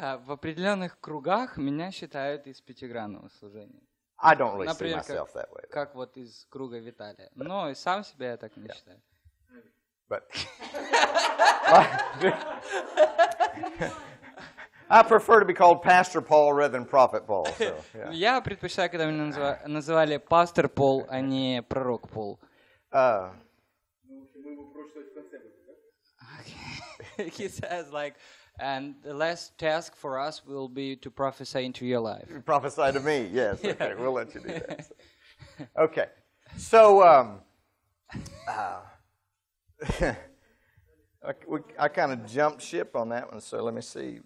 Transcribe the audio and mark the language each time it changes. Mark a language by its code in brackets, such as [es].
[ru] В определенных кругах меня считают из пятигранного служения. [en] I don't really see myself that way. [ru] Как вот из круга Виталия. Но и сам себя я так не считаю. [en] But I prefer to be called Pastor Paul rather than Prophet Paul. [ru] Я предпочитаю, когда меня называли Пастор Пол, а не Пророк Пол. [en] He says, like, and the last task for us will be to prophesy into your life. Prophesy to me, yes. Okay, we'll let you do that. Okay. So, I kind of jumped ship on that one, so let me see.